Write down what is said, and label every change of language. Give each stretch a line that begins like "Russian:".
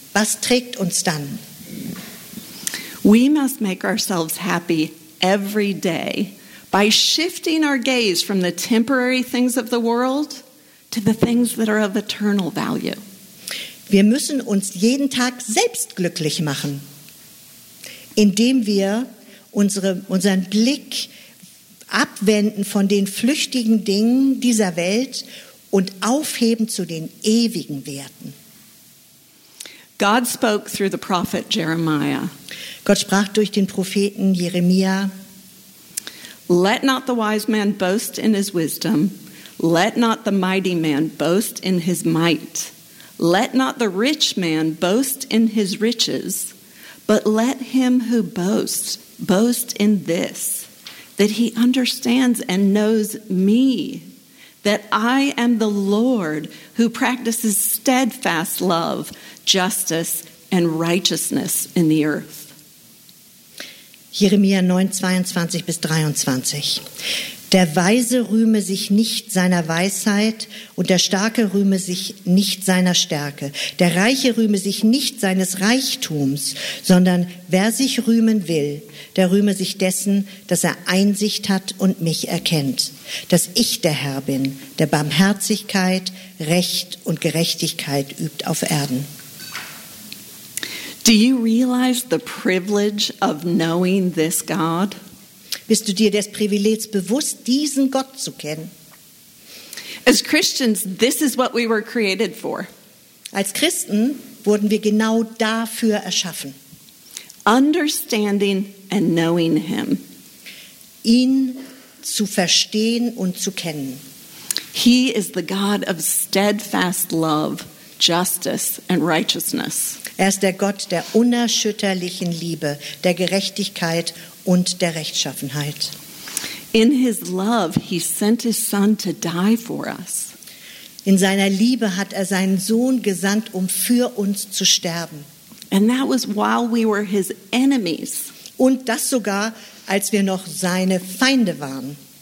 German: Was trägt uns dann?
English: We must make ourselves happy every day by shifting our gaze from the temporary things of the world to the things that are of eternal value.
German: Wir müssen uns jeden Tag selbst glücklich machen, indem wir unseren Blick abwenden von den flüchtigen Dingen dieser Welt und aufheben zu den ewigen Werten.
English: God spoke through the prophet Jeremiah.
German: Gott sprach durch den Propheten Jeremia.
English: Let not the wise man boast in his wisdom. Let not the mighty man boast in his might. Let not the rich man boast in his riches. But let him who boasts, boast in this, that he understands and knows me, that I am the Lord who practices steadfast love, justice and righteousness in the earth.
German: Jeremia 9:22-23. Der Weise rühme sich nicht seiner Weisheit und der Starke rühme sich nicht seiner Stärke. Der Reiche rühme sich nicht seines Reichtums, sondern wer sich rühmen will, der rühme sich dessen, dass er Einsicht hat und mich erkennt, dass ich der Herr bin, der Barmherzigkeit, Recht und Gerechtigkeit übt auf Erden.
English: Do you realize the privilege of knowing this God?
German: Bist du dir des Privilegs bewusst, diesen Gott zu kennen?
English: As Christians, this is what we were created for.
German: Als Christen wurden wir genau dafür erschaffen.
English: Understanding and knowing him.
German: Ihn zu verstehen und zu kennen.
English: He is the God of steadfast love, justice and righteousness.
German: Er ist der Gott der unerschütterlichen Liebe, der Gerechtigkeit und der Rechtschaffenheit.
English: In his love he sent his son to die for us.
German: In seiner Liebe hat er seinen Sohn gesandt, um für uns zu sterben.
English: And that was while we were his enemies.
German: Und das sogar, als wir noch seine Feinde waren.